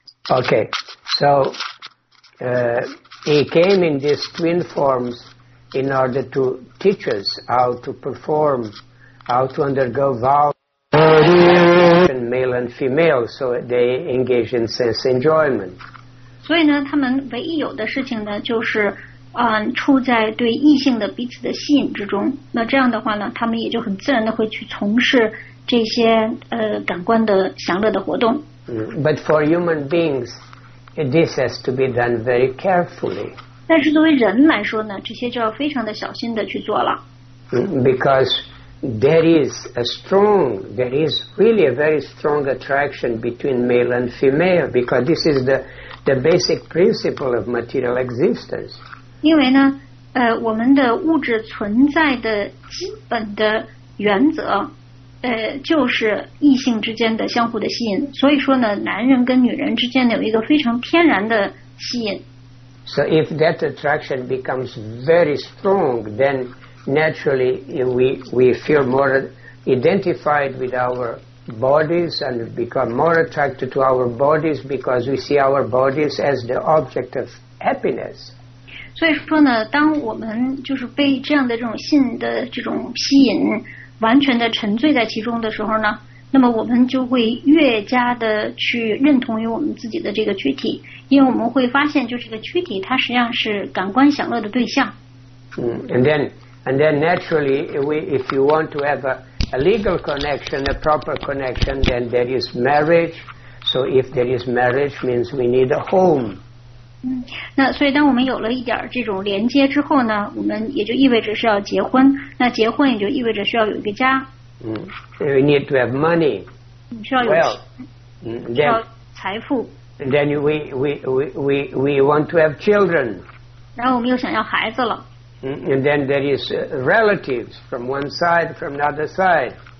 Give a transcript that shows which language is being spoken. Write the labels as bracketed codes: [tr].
[en] Okay, so he came in these twin forms in order to teach us how to perform, how to undergo vows, male and female, so they engage in sense enjoyment. [zh] 所以呢, 他们唯一有的事情呢, 就是, 处在对异性的彼此的吸引之中, 那这样的话呢, 他们也就很自然地会去从事这些, 感官的享乐的活动。 [en] But for human beings, this has to be done very carefully. [zh] 但是作为人来说呢, 这些就要非常的小心地去做了。 [en] Because there is really a very strong attraction between male and female, because this is the basic principle of material existence. [zh] 因为呢, 我们的物质存在的基本的原则, 就是异性之间的相互的吸引, 所以说呢, 男人跟女人之间有一个非常天然的吸引。 [en] So if that attraction becomes very strong, then naturally we feel more identified with our bodies and become more attracted to our bodies because we see our bodies as the object of happiness. [zh] 所以说呢, 当我们就是被这样的这种性的这种吸引完全的沉醉在其中的时候呢, 那么我们就会越加的去认同于我们自己的这个躯体, 因为我们会发现就是这个躯体, 它实际上是感官享乐的对象。 [en] And then naturally, if you want to have a legal connection, a proper connection, then there is marriage. So if there is marriage, means we need a home. [zh] 那所以当我们有了一点这种连接之后呢, 我们也就意味着是要结婚, 那结婚也就意味着需要有一个家。 [en] We need to have money. [zh] 需要有钱,需要财富。 [en] And then we want to have children. [zh] 然后我们又想要孩子了。 [en] And then there is relatives from one side, from another side.